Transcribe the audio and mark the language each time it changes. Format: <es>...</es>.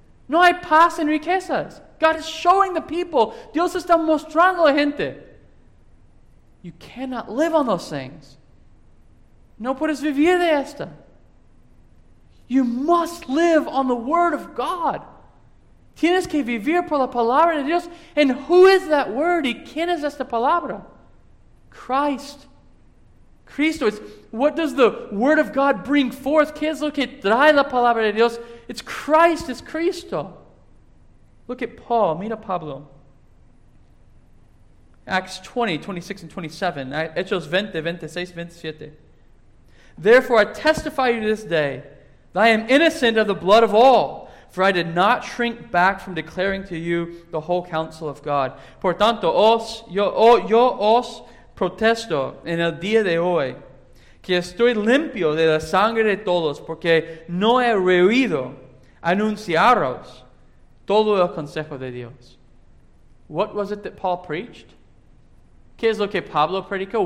<es>No hay paz en riquezas.</es> <en>God is showing the people,</en> <es>Dios está mostrando a la gente.</es> <en>You cannot live on those things.</en> <es>No puedes vivir de esta.</es> <en>You must live on the Word of God.</en> <es>Tienes que vivir por la palabra de Dios.</es> <en>And who is that word?</en> <es>¿Y quién es esta palabra?</es> <en>Christ. Cristo. It's what does the Word of God bring forth?</en> <es>¿Qué es lo que trae la palabra de Dios?</es> <en>It's Christ, it's Cristo. Look at Paul,</en> <es>mira Pablo.</es> <en>Acts 20, 26 and 27. Hechos 20, 26, 27. Therefore I testify to you this day that I am innocent of the blood of all, for I did not shrink back from declaring to you the whole counsel of God.</en> <es>Por tanto, yo os protesto en el día de hoy que estoy limpio de la sangre de todos, porque no he rehuido anunciaros todo el consejo de Dios.</es> <en>What was it that Paul preached?</en> <es>¿Qué es lo que Pablo predicó?</es>